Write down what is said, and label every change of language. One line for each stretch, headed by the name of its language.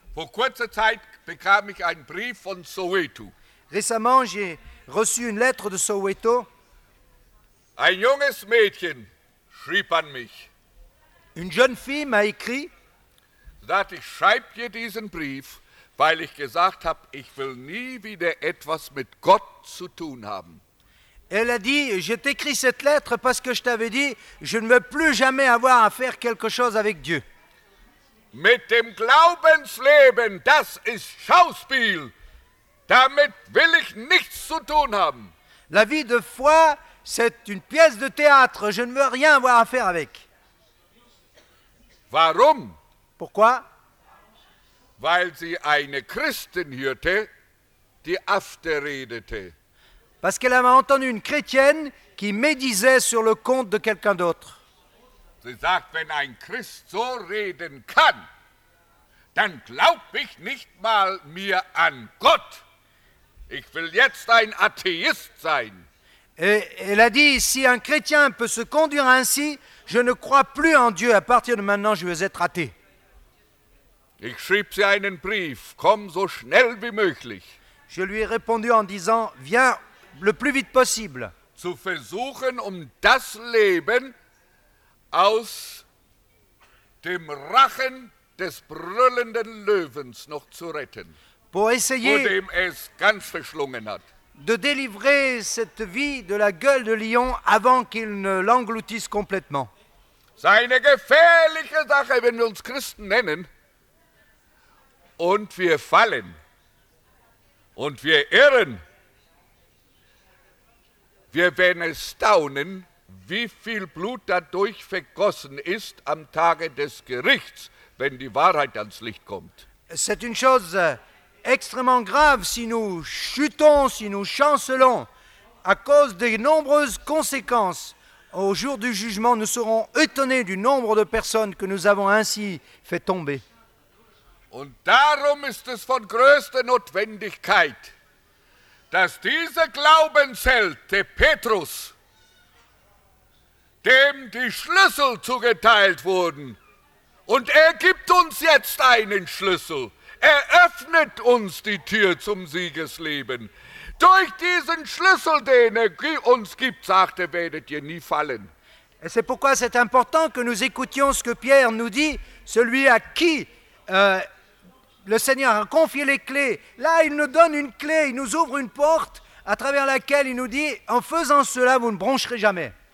German: Vor kurzer Zeit bekam ich einen Brief von Soweto.
French: Récemment, j'ai reçu une lettre de Soweto.
German: Ein junges Mädchen schrieb an mich.
French: Une jeune fille m'a écrit.
German: Sagt, ich schreibe dir diesen Brief, weil ich gesagt habe, ich will nie wieder etwas mit Gott zu tun haben.
French: Elle a dit, je t'écris cette lettre parce que je t'avais dit, je ne veux plus jamais avoir à faire quelque chose avec Dieu.
German: Mit dem Glaubensleben, das ist Schauspiel. Damit will ich nichts zu tun haben.
French: La vie de foi, c'est une pièce de théâtre, je ne veux rien avoir à faire avec.
German: Warum?
French: Pourquoi?
German: Weil sie eine Christin hörte, die afterredete.
French: Parce qu'elle avait entendu une chrétienne qui médisait sur le compte de quelqu'un d'autre.
German: Sie sagt, wenn ein Christ so reden kann, dann glaub ich nicht mal mir an Gott. Ich will jetzt ein Atheist sein.
French: Elle a dit, si un chrétien peut se conduire ainsi, je ne crois plus en Dieu. À partir de maintenant, je vais être athée.
German: Ich schrieb sie einen Brief, komm so schnell wie möglich.
French: Je lui ai répondu en disant, viens le plus vite possible.
German: Zu versuchen, das Leben aus dem Rachen des brüllenden Löwens noch zu retten.
French: Pour essayer,
German: vor dem es ganz verschlungen hat.
French: De délivrer cette vie de la gueule de lion avant qu'il ne l'engloutisse complètement. C'est une
German: gefährliche Sache, wenn wir uns Christen nennen. Und wir fallen. Und wir irren. Wir werden es staunen, wie viel Blut dadurch vergossen ist am Tage des Gerichts, wenn die Wahrheit ans Licht kommt.
French: C'est une chose extrêmement grave si nous chutons, si nous chancelons, à cause des nombreuses conséquences. Au jour du jugement, nous serons étonnés du nombre de personnes que nous avons ainsi fait tomber. Und darum ist es von größter Notwendigkeit, dass dieser Glaubensheld, der Petrus, dem die Schlüssel zugeteilt wurden, und gibt uns jetzt einen Schlüssel, öffnet uns die Tür zum Siegesleben. Durch diesen Schlüssel, den uns gibt, sagte, werdet ihr nie fallen. Et c'est pourquoi c'est important que nous écoutions ce que Pierre nous dit, celui à qui le Seigneur a confié les clés. Là, il nous donne une clé, il nous ouvre une porte à travers laquelle il nous dit, en faisant cela, vous ne broncherez jamais.